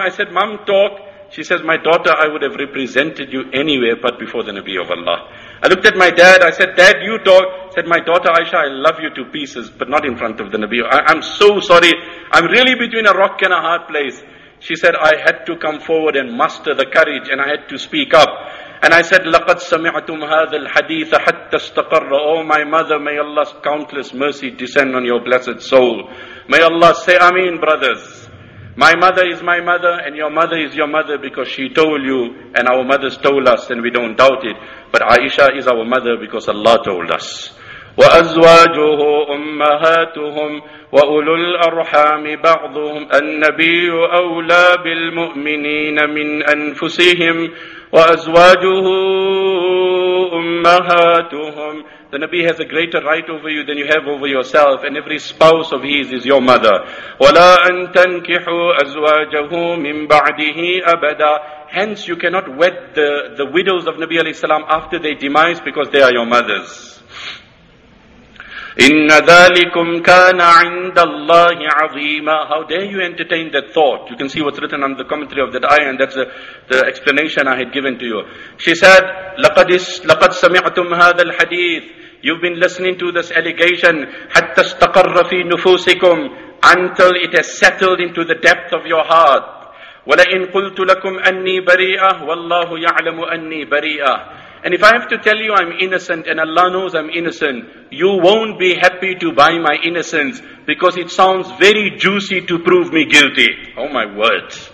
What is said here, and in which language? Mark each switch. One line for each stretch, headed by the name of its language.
English: I said, mom, talk. She says, my daughter, I would have represented you anywhere but before the Nabi of Allah. I looked at my dad, I said, dad, you talk. Said, my daughter Aisha, I love you to pieces, but not in front of the Nabi. I'm so sorry. I'm really between a rock and a hard place. She said, I had to come forward and muster the courage and I had to speak up. And I said,
Arabic: لَقَدْ سَمِعْتُمْ هَذَا الْحَدِيثَ حَتَّى اسْتَقَرَّ.
English: Oh my mother, may Allah's countless mercy descend on your blessed soul. May Allah say Ameen, brothers. My mother is my mother and your mother is your mother because she told you and our mothers told us and we don't doubt it. But Aisha is our mother because Allah told us.
Arabic: وَأَزْوَاجُهُ أُمَّهَاتُهُمْ وَأُولُو الْأَرْحَامِ بَعْضُهُمْ النَّبِيُّ أَوْلَى بِالْمُؤْمِنِينَ مِنْ أَنفُسِهِمْ وَأَزْوَاجُهُ أُمَّهَاتُهُمْ.
English: The Nabi has a greater right over you than you have over yourself, and every spouse of his is your mother.
Arabic: وَلَا أَن تَنْكِحُوا أَزْوَاجَهُ مِنْ بَعْدِهِ أَبَدًا.
English: Hence you cannot wed the widows of Nabi alayhi salam after their demise because they are your mothers.
Arabic: إِنَّ ذَلِكُمْ كَانَ عِنْدَ اللَّهِ عَظِيمًا.
English: How dare you entertain that thought? You can see what's written on the commentary of that ayah, and that's the explanation I had given to you. She said,
Arabic: لَقَدْ سَمِعْتُمْ هَذَا الْحَدِيثِ.
English: You've been listening to this allegation.
Arabic: حَتَّى اسْتَقَرَّ فِي نُفُوسِكُمْ.
English: Until it has settled into the depth of your heart.
Arabic: وَلَئِنْ قُلْتُ لَكُمْ أَنِّي بَرِيئَةٌ وَاللَّهُ يَعْلَمُ أَنِّي بَرِيئَةٌ.
English: And if I have to tell you I'm innocent and Allah knows I'm innocent, you won't be happy to buy my innocence because it sounds very juicy to prove me guilty. Oh my word.